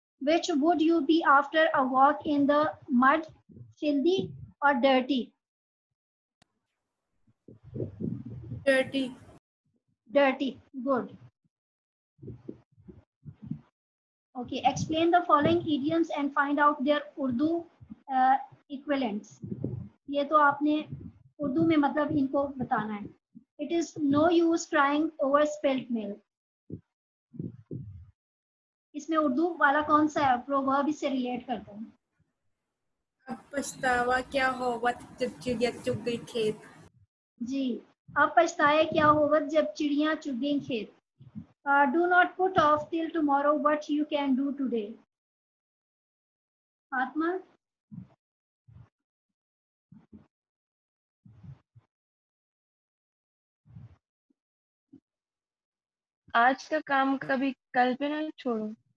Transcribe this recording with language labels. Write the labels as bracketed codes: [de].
[en] Which would you be after a walk in the mud, filthy or dirty? Dirty. Dirty, good. Okay, explain the following idioms and find out their Urdu equivalents. [hi] ये तो आपने उर्दू में मतलब इनको बताना है. [en] It is no use crying over spilt milk. [hi] इसमें उर्दू वाला कौन सा है प्रोवर्ब इससे रिलेट करता है? अब पछतावा क्या होगा जब चिड़िया चुग गई खेत. जी, अब पछताया क्या होगा जब चिड़िया चुग गई खेत. [en] Do not put off till tomorrow what you can do today. [hi] आत्मा, आज का काम कभी कल पे ना छोड़ो.